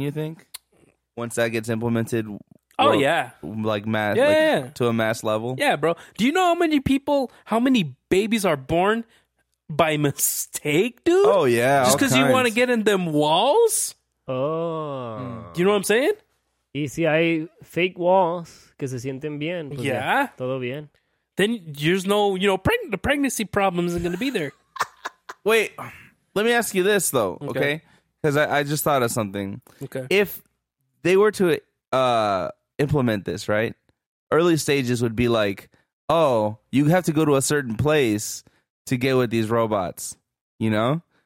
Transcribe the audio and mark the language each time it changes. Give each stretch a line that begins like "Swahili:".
English: You think once that gets implemented? Oh, yeah. Like mass, to a mass level. Yeah, bro. Do you know how many babies are born by mistake, dude? Oh, yeah. Just because you want to get in them walls? Oh. Mm. Do you know what I'm saying?
Spanish: Y si hay
English: fake walls
Spanish: que se sienten bien. Pues
English: yeah.
Spanish: Todo bien.
English: Then there's no, you know, the pregnancy problem isn't going to be there. Wait. Let me ask you this, though, okay? Because I just thought of something. Okay. If they were to... implement this, right? Early stages would be like, oh, you have to go to a certain place to get with these robots, you know?